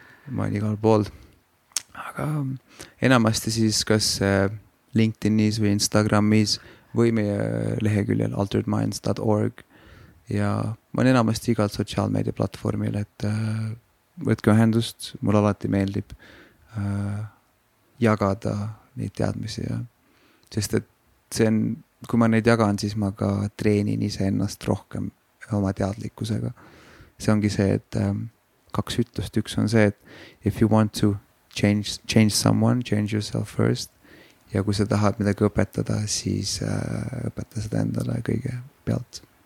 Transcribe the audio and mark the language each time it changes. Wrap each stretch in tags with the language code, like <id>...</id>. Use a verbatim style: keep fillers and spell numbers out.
<et>Ma olen igal pool, aga enamasti siis kas LinkedInis või Instagramis või meie leheküljel altered minds dot org ja ma olen enamasti igal sotsiaalmeedia platformil, et võtke ühendust, mul alati meeldib jagada neid teadmisi ja sest, et see on, kui ma neid jagan, siis ma ka treenin ise ennast rohkem oma teadlikkusega. See ongi see, et ähm, kaks ütlust. Üks on see, et</et> <en>if you want to change, change someone, change yourself first.</en> <et>Ja kui sa tahad midagi õpetada, siis äh, õpeta seda endale kõige pealt.</et>